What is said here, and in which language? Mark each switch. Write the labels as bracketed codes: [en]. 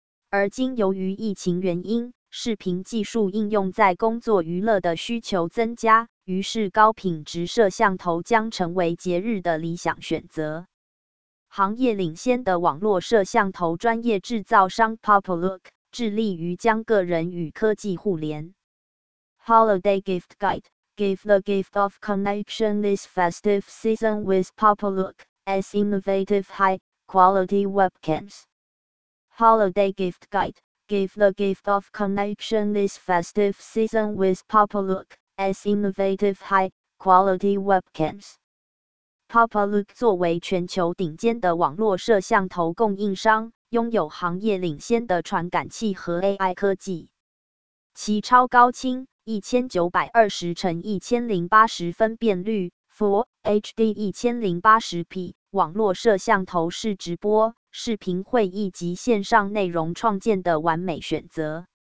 [zh] 而今由于疫情原因，视频技术应用在工作娱乐的需求增加，于是高品质摄像头将成为节日的理想选择。行业领先的网络摄像头专业制造商 Popoloop 致力于将个人与科技互联。 [en] Holiday Gift Guide, Give the gift of connection this festive season with Popoloop, as innovative high-quality webcams. Holiday Gift Guide, Give the gift of connection this festive season with Popoloop, as innovative high-quality webcams. [zh] Popoloop 作为全球顶尖的网络摄像头供应商，拥有行业领先的传感器和 AI 科技。其超高清1920×1080分辨率 4HD1080p 网络摄像头是直播、视频会议及线上内容创建的完美选择。